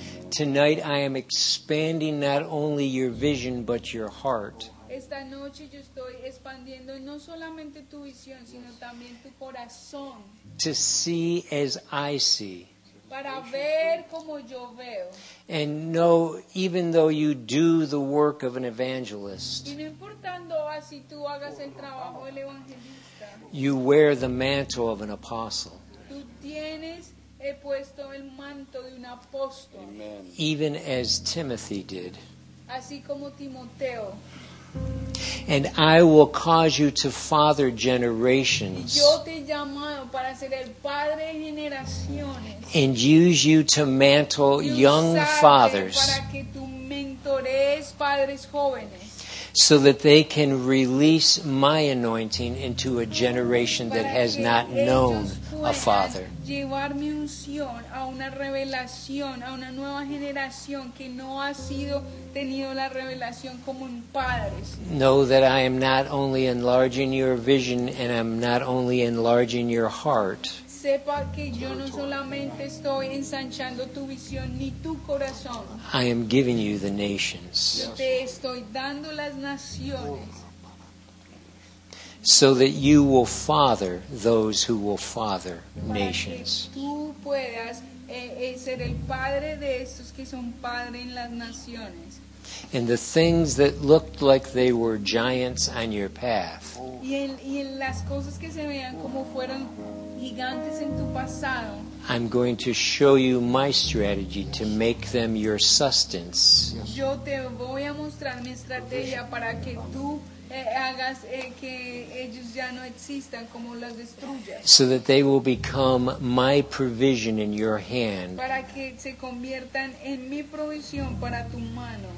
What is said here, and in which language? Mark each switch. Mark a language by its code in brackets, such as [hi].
[en] Tonight I am expanding not only your vision but your heart. [es] Esta noche yo estoy expandiendo no solamente tu visión, sino también tu corazón. [en] To see as I see. [es] Para ver como yo veo. [en] And know, even though you do the work of an evangelist, [es] y no importando si tú hagas el trabajo del evangelista, [en] you wear the mantle of an apostle. [es] Tú tienes he puesto el manto de un apóstol. [en] Amen. Even as Timothy did. [es] Así como Timoteo. [en] And I will cause you to father generations. [es] Yo te he llamado para ser el padre de generaciones. [en] And use you to mantle young fathers. [es] Para que tú mentores padres jóvenes. [en] So that they can release my anointing into a generation [es] para [en] that has not known a father. [es] Llevarme unción a una revelación, a una nueva generación que no ha sido tenido la revelación como un padre. [en] Know that I am not only enlarging your vision and I'm not only enlarging your heart. [es] Sepa que yo no solamente estoy ensanchando tu visión ni tu corazón. [en] I am giving you the nations. [es] Te estoy dando las naciones. [en] So that you will father those who will father nations. [es] Tú puedas ser el padre de estos que son padres en las naciones. [en] And the things that looked like they were giants on your path. [es] Y en las cosas que se veían como fueron gigantes en tu pasado. [en] I'm going to show you my strategy to make them your sustenance. [es] Yo te voy a mostrar mi estrategia para que tú hagas que ellos ya no existan, como las destruyas. [en] So that they will become my provision in your hand. [es] Para que se conviertan en mi provisión para tu mano.